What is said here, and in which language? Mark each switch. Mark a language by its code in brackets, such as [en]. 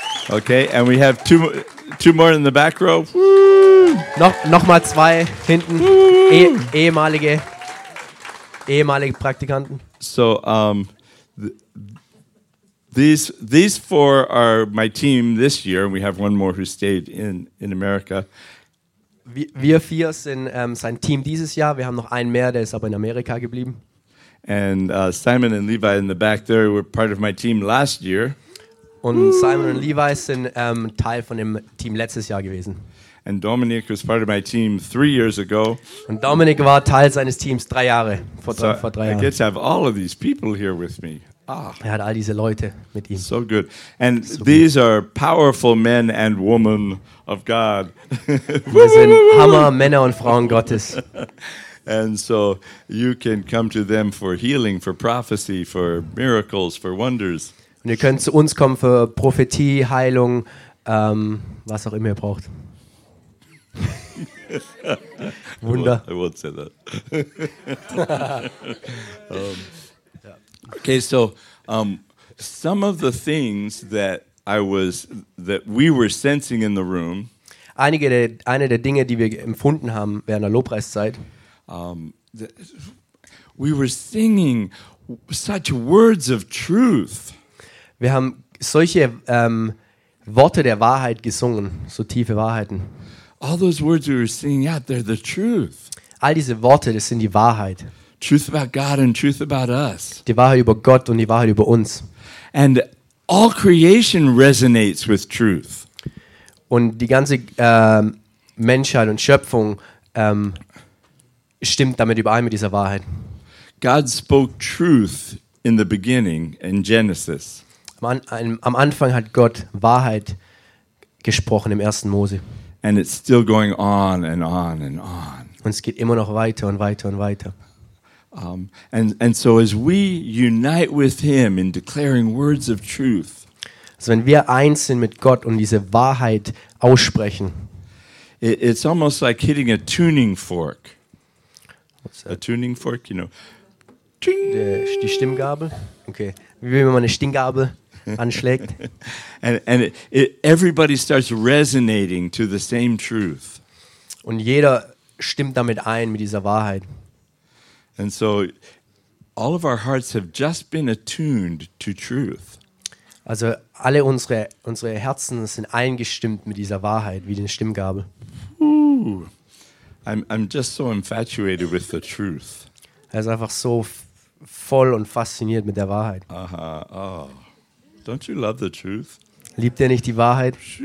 [en] Okay, and we have two more in the back row. [de] Noch mal zwei hinten. Ehemalige Praktikanten. [en] So These four are my team this year, and we have one more who stayed in America. [de] Wir vier sind sein Team dieses Jahr. Wir haben noch einen mehr, der ist aber in Amerika geblieben. [en] And Simon and Levi in the back there were part of my team last year. [de] Und Simon und Levi sind Teil von dem Team letztes Jahr gewesen. [en] And Dominic was part of my team 3 years ago. [de] Und Dominic war Teil seines Teams vor drei Jahren. [en] I get to have all of these people here with me. [de] Er hat all diese Leute mit ihm. [en] So good. And so these good. Are powerful men and women of God. [de] Wir sind Hammer Männer und Frauen Gottes. [en] And so you can come to them for healing, for prophecy, for miracles, for wonders. [de] Und ihr könnt zu uns kommen für Prophetie, Heilung, was auch immer ihr braucht. Wunder. [en] I won't say that. Okay, so some of the things that we were sensing in the room. [de] Eine der Dinge, die wir empfunden haben während der Lobpreiszeit. [en] We were singing such words of truth. [de] Wir haben solche Worte der Wahrheit gesungen, so tiefe Wahrheiten. [en] All those words we were singing, yeah, they're the truth. [de] All diese Worte, das sind die Wahrheit. [en] Truth about God and truth about us. [de] Die Wahrheit über Gott und die Wahrheit über uns. [en] And all creation resonates with truth. [de] Und die ganze Menschheit und Schöpfung stimmt damit überein mit dieser Wahrheit. [en] God spoke truth in the beginning in Genesis. [de] Am Anfang hat Gott Wahrheit gesprochen im ersten Mose. [en] And it's still going on and on and on. [de] Und es geht immer noch weiter und weiter und weiter. [en] And so as we unite with him in declaring words of truth. [de] Also wenn wir eins sind mit Gott und diese Wahrheit aussprechen. [en] It's almost like hitting a tuning fork. What's that? A tuning fork, you know. [de] Ding! Die Stimmgabel. Okay. Wie wenn man eine Stimmgabel anschlägt. [en] and everybody starts resonating to the same truth. [de] Und jeder stimmt damit ein mit dieser Wahrheit. [en] And so all of our hearts have just been attuned to truth. [de] Also alle unsere Herzen sind eingestimmt mit dieser Wahrheit wie den Stimmgabel. [en] I'm just so infatuated with the truth. [de] Er ist einfach so voll und fasziniert mit der Wahrheit. [en] Aha. Oh. Don't you love the truth? [de] Liebt ihr nicht die Wahrheit?